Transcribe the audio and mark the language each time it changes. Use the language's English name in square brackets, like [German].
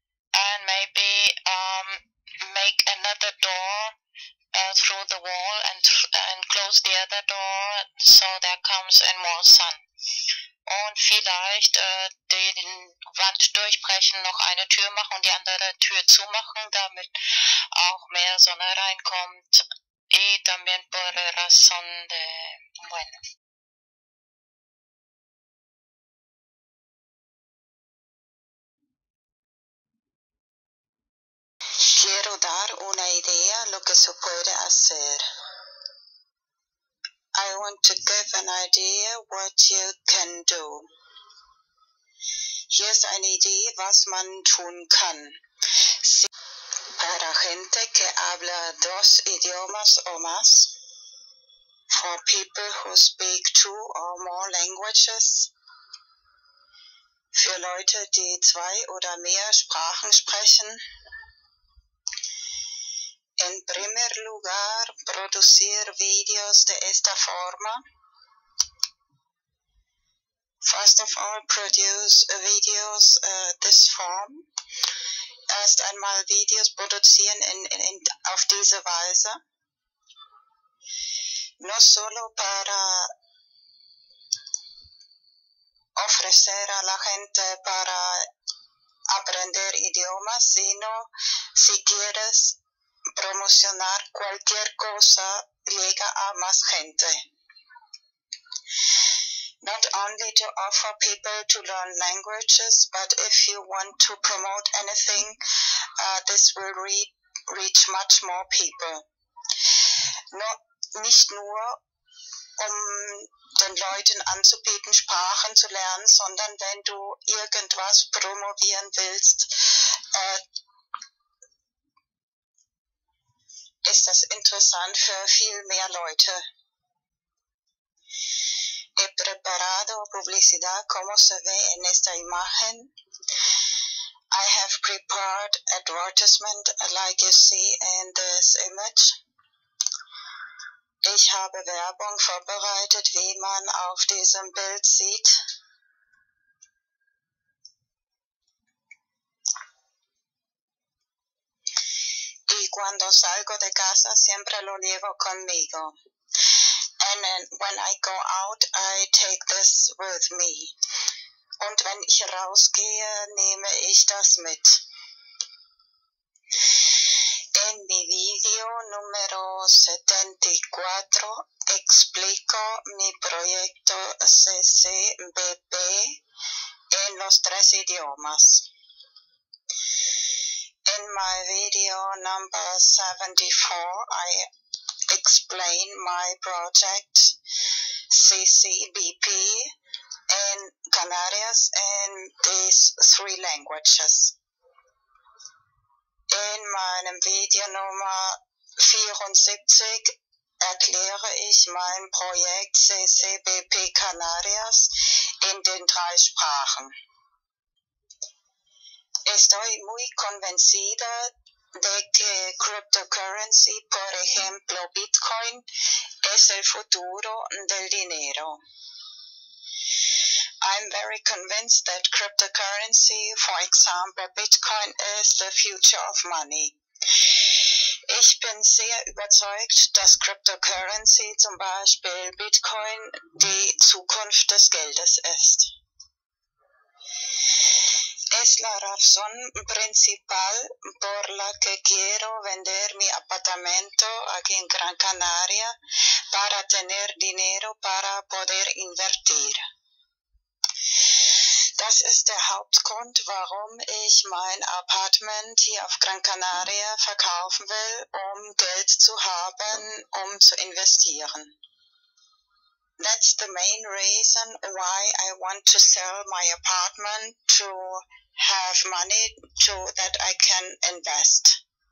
[English] And maybe make another door through the wall and close the other door so there comes in more sun. [German] Und vielleicht den Wand durchbrechen, noch eine Tür machen und die andere Tür zumachen, damit auch mehr Sonne reinkommt. [Spanish] Y también por razón de bueno. Quiero dar una idea lo que se puede hacer. [English] I want to give an idea what you can do. [German] Hier ist eine Idee, was man tun kann. [Spanish] Si para gente que habla dos idiomas o más, [English] for people who speak two or more languages, [German] für Leute, die zwei oder mehr Sprachen sprechen, [Spanish] en primer lugar, producir videos de esta forma. [English] First of all, produce videos this form. [German] Erst einmal Videos produzieren in auf diese Weise. [Spanish] No solo para ofrecer a la gente para aprender idiomas, sino si quieres promocionar cualquier cosa, llega a más gente. [English] Not only to offer people to learn languages, but if you want to promote anything, this will reach much more people. [German] Nicht nur, um den Leuten anzubieten, Sprachen zu lernen, sondern wenn du irgendwas promovieren willst, ist das interessant für viel mehr Leute. [Spanish] He preparado publicidad como se ve en esta imagen. [English] I have prepared advertisement like you see in this image. [German] Ich habe Werbung vorbereitet, wie man auf diesem Bild sieht. [Spanish] Y cuando salgo de casa, siempre lo llevo conmigo. [English] And when I go out, I take this with me. [German] Und wenn ich rausgehe, nehme ich das mit. [Spanish] En mi video número 74 explico mi proyecto CCBP en los tres idiomas. [English] In my video number 74, I explain my project CCBP in Canarias in these three languages. [German] In meinem Video Nummer 74 erkläre ich mein Projekt CCBP Canarias in den drei Sprachen. [Spanish] Estoy muy convencida de que cryptocurrency, por ejemplo Bitcoin, es el futuro del dinero. [English] I'm very convinced that cryptocurrency, for example Bitcoin, is the future of money. [German] Ich bin sehr überzeugt, dass cryptocurrency, zum Beispiel Bitcoin, die Zukunft des Geldes ist. [Spanish] Es la razón principal por la que quiero vender mi apartamento aquí en Gran Canaria para tener dinero para poder invertir. [German] Das ist der Hauptgrund, warum ich mein Apartment hier auf Gran Canaria verkaufen will, um Geld zu haben, um zu investieren. [English] That's the main reason why I want to sell my apartment to have money so that I can invest.